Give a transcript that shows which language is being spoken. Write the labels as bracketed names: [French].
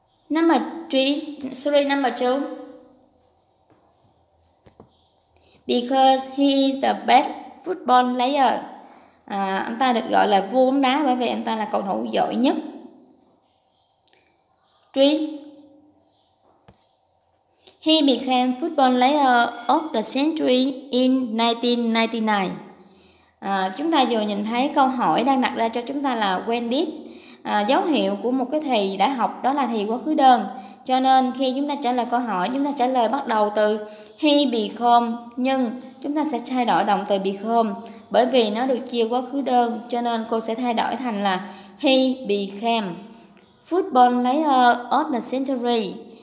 [English] Number two. Because he is the best football player. [Vietnamese] Ông ta được gọi là vua bóng đá bởi vì ông ta là cầu thủ giỏi nhất. [English] Three. He became football player of the century in 1999. [Vietnamese] Chúng ta vừa nhìn thấy câu hỏi đang đặt ra cho chúng ta là [English] when did. [Vietnamese] Dấu hiệu của một cái thì đã học đó là thì quá khứ đơn. Cho nên khi chúng ta trả lời câu hỏi, chúng ta trả lời bắt đầu từ [English] he become, [Vietnamese] nhưng chúng ta sẽ thay đổi động từ become bởi vì nó được chia quá khứ đơn, cho nên cô sẽ thay đổi thành là [English] he became football player of the century.